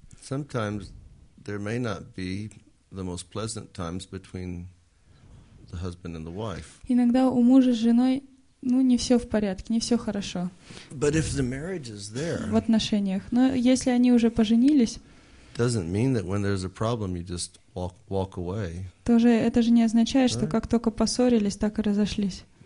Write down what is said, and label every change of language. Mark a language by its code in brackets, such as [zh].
[en] Sometimes there may not be the most pleasant times between the husband and the wife. [ru] Иногда у мужа с женой, ну, не все в порядке, не все хорошо. [en] But if the marriage is there. [ru] В отношениях. Но если они уже поженились. [en] Doesn't mean that when there's a problem you just walk away. [ru] Тоже это же не означает, [en] right? [ru] Что как только поссорились, так и разошлись.